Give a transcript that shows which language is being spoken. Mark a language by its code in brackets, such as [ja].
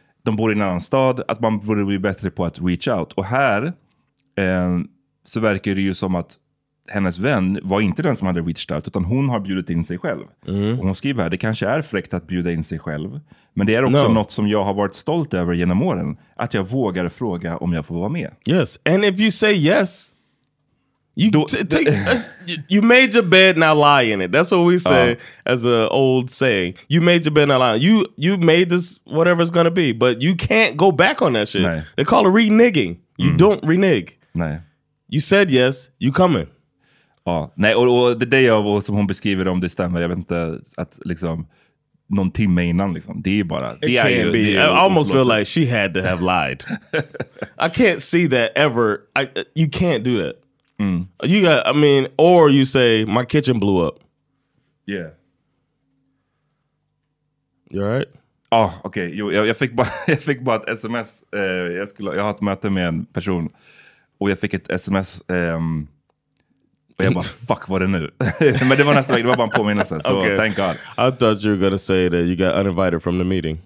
[sv] de bor i en annan stad, att man borde bli bättre på att [en] reach out. [sv] Och här så verkar det ju som att hennes vän var inte den som hade [en] reached out, [sv] utan hon har bjudit in sig själv. Mm. Och hon skriver här, det kanske är fräckt att bjuda in sig själv, men det är också något som jag har varit stolt över genom åren, att jag vågar fråga om jag får vara med. [en] Yes, and if you say yes, you you made your bed, now lie in it. That's what we say as an old saying. You made your bed, now lie. You made this whatever it's going to be, but you can't go back on that shit. [sv] Nej. [en] They call it reneging. You don't renege. [sv] Nej. [en] You said yes, you coming. [sv] Ja, nej, och [en] the day of, [sv] och som hon beskriver om det stämmer, jag vet inte att liksom någon timme innan liksom. Det är bara [en] it [sv] det [en] can't [sv] är [en] be. Det I almost feel like she had to have lied. I can't see that ever. You can't do that. Mm. You got, I mean, or you say my kitchen blew up. Yeah. You alright? Oh, okay. [sv] Jo, jag fick bara ett sms. Jag har ett möte med en person och jag fick ett sms och jag bara fuck vad det nu. Men det var nästan det var bara en påminnelse. Så okay. [en] Thank God. I thought you were gonna say that you got uninvited from the meeting.